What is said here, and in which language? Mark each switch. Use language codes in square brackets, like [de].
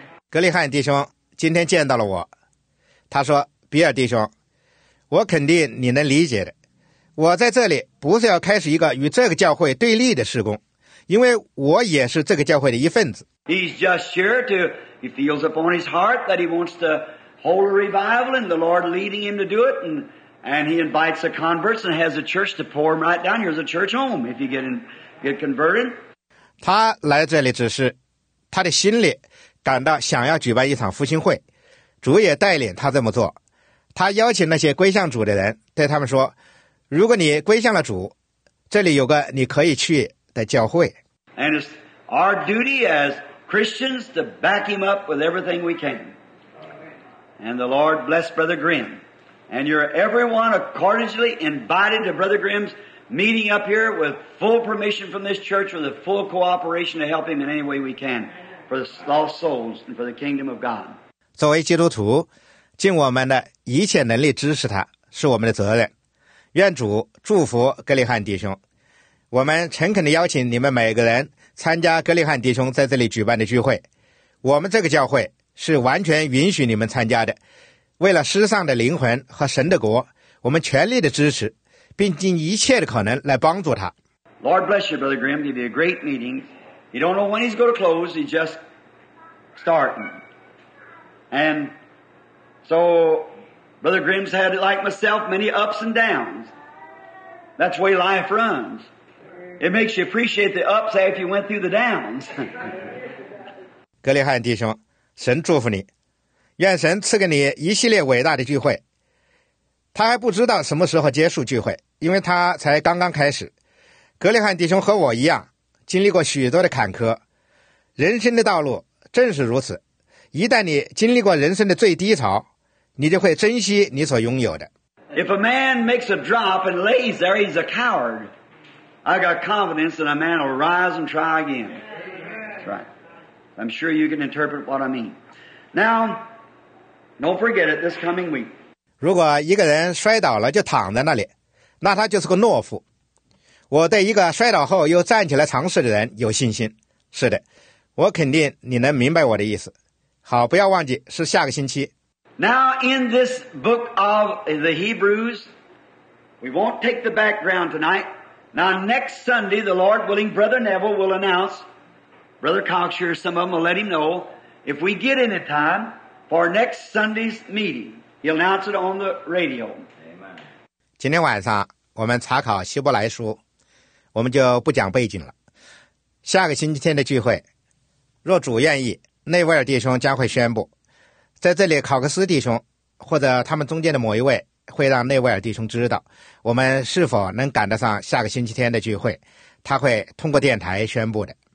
[zh] 格里汉弟兄今天见到了我，他说，比尔弟兄，我肯定你能理解的，我在这里不是要开始一个与这个教会对立的事工，因为我也是这个教会的一份子。 [en] He's just here to, he feels upon his heart that he wants to hold a revival and the Lord leading him to do it, and he invites the converts and has a church to pour him right down. Here's a church home if you get converted. [zh] 他来这里只是他的心里感到想要举办一场复兴会，主也带领他这么做，他邀请那些归向主的人，对他们说，如果你归向了主，这里有个你可以去的教会。 [en] And it's our duty as Christians to back him up with everything we can. And the Lord bless Brother Grimm. And you're everyone accordingly invited to Brother Grimm's meeting up here with full permission from this church, with the full cooperation to help him in any way we can for the lost souls and for the kingdom of God. [zh] 作为基督徒，尽我们的一切能力支持他，是我们的责任。愿主祝福格里汉弟兄，我们诚恳地邀请你们每个人参加格里汉弟兄在这里举办的聚会，我们这个教会是完全允许你们参加的，为了失丧的灵魂和神的国，我们全力的支持并尽一切的可能来帮助他。 [en] Lord bless you, Brother Graham. It'll be a great meeting. You don't know when he's going to close. He's just starting. And so Brother Grimm's had, like myself, many ups and downs. That's the way life runs. It makes you appreciate the ups after you went through the downs. [zh] 格里汉弟兄，神祝福你，愿神赐给你一系列伟大的聚会。他还不知道什么时候结束聚会，因为他才刚刚开始。格里汉弟兄和我一样，经历过许多的坎坷。人生的道路正是如此，一旦你经历过人生的最低潮，你就会珍惜你所拥有的。 [en] If a man makes a drop and lays there, he's a coward. I got confidence that a man will rise and try again. That's right. I'm sure you can interpret what I mean. Now, don't forget it this coming week. [zh] 如果一个人摔倒了就躺在那里，那他就是个懦夫。我对一个摔倒后又站起来尝试的人有信心。是的，我肯定你能明白我的意思。好，不要忘记，是下个星期。 [en] Now in this book of the Hebrews, we won't take the background tonight. Now next Sunday, the Lord willing, Brother Neville will announce, Brother Cox here, some of them will let him know, if we get any time for next Sunday's meeting, he'll announce it on the radio. Amen. [zh] 今天晚上我们查考希伯来书，我们就不讲背景了。下个星期天的聚会，若主愿意，内维尔弟兄将会宣布。在这里考克斯弟兄或者他们中间的某一位会让内维尔弟兄知道我们是否能赶得上下个星期天的聚会，他会通过电台宣布的。